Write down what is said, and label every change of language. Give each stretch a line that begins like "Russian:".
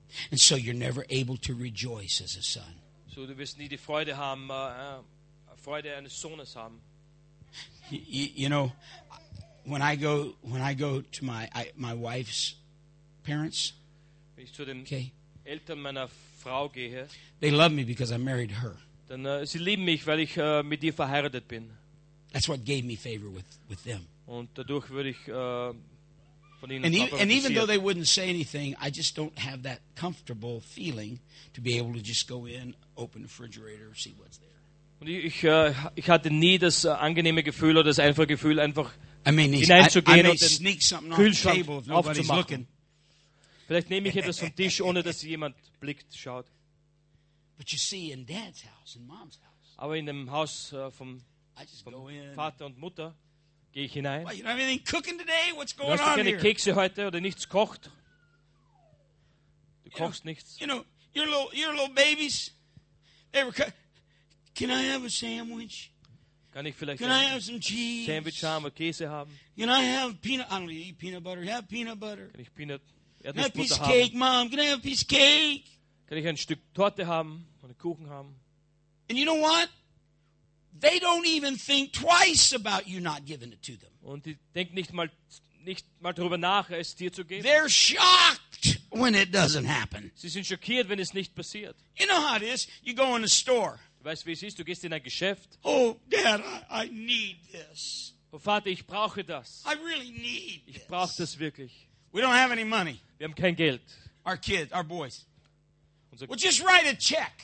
English: And so you're never able to rejoice as a son.
German: So du wirst nie die Freude haben, Freude eines Sohnes haben.
English: You know, when I go to my wife's parents,
German: wenn ich zu den Eltern meiner Frau gehe,
English: they love me because I married her.
German: Dann sie lieben mich, weil ich mit ihr verheiratet bin.
English: That's what gave me favor with them.
German: Und dadurch würde ich
English: And even though they wouldn't say anything, I just don't have that comfortable feeling to be able to just go in, open the refrigerator, see what's there.
German: Und ich hatte nie das angenehme Gefühl oder das einfache Gefühl, einfach hineinzugehen und den Kühlschrank aufzumachen. Vielleicht nehme ich etwas vom Tisch, ohne dass jemand blickt, schaut.
English: But you see, in Dad's house, in Mom's house.
German: Aber in dem Haus vom Vater und Mutter. Gehe ich hinein?
English: Well, you don't have anything cooking today? What's going on here?
German: Du hast keine Kekse heute oder nichts kocht? Du kochst nichts.
English: You know, your little babies. Can I have a sandwich?
German: Kann ich vielleicht?
English: Can I have some cheese?
German: Sandwich haben oder Käse haben?
English: Can I have peanut? I don't eat peanut butter. Have peanut butter.
German: Kann ich Peanut?
English: Can I have a piece of cake, Mom? Can I have a piece of cake?
German: Kann ich ein Stück Torte haben oder Kuchen haben?
English: And you know what? They don't even think twice about you not giving it to them.
German: Und die denken nicht mal drüber nach, es dir zu geben.
English: They're shocked when it doesn't happen.
German: Sie sind schockiert, wenn es nicht passiert.
English: You know how it is. You go in a store.
German: Du weißt, wie es ist. Du gehst in ein Geschäft.
English: Oh, Dad, I need this.
German: Oh, Vater, ich brauche das.
English: I really need this.
German: Ich brauche das wirklich.
English: We don't have any money.
German: Wir haben kein Geld.
English: Our kids, our boys. Well, just write a check.